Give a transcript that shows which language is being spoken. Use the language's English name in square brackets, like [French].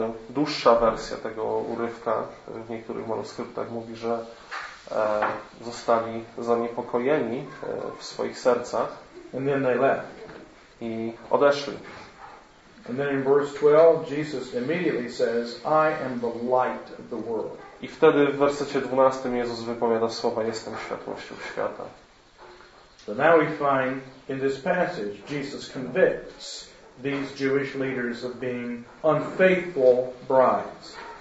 [Polish] Dłuższa wersja tego urywka w niektórych manuskryptach mówi, że zostali zaniepokojeni w swoich sercach. [English] And then they left. [Polish] I odeszli. [English] And then in verse 12 Jesus immediately says, I am the light of the world. [Polish] I wtedy w wersecie 12 Jezus wypowiada słowa, jestem światłością świata. [English] So now we find in this passage Jesus convicts these Jewish leaders of being unfaithful brides.